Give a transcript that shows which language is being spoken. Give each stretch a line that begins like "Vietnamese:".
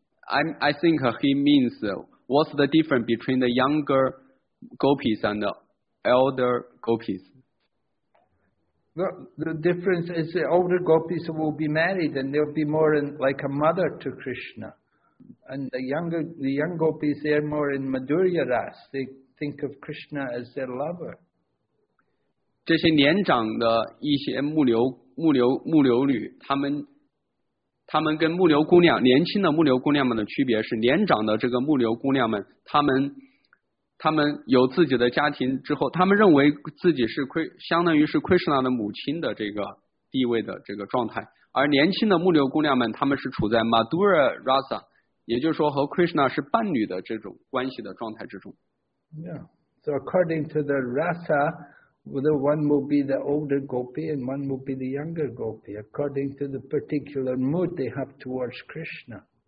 English: I think he means what's the difference between the younger gopis and the elder gopis? The difference is the older gopis will be married and they'll be more in, like a mother to Krishna. And the young gopis, they're more in Madhurya Ras. They think of Krishna as their lover.
Chinese: 这些年长的一些牧牛女，他们跟牧牛姑娘，年轻的牧牛姑娘们的区别是，年长的这个牧牛姑娘们，他们有自己的家庭之后，他们认为自己是相当于是 Krishna 的母亲的这个地位的这个状态，而年轻的牧牛姑娘们，他们是处在 Madhura Rasa， 也就是说和 Krishna 是伴侣的这种关系的状态之中。
English: Yeah, so according to the Rasa, the one will be the older gopi and one will be the younger gopi, according to the particular mood they have towards Krishna.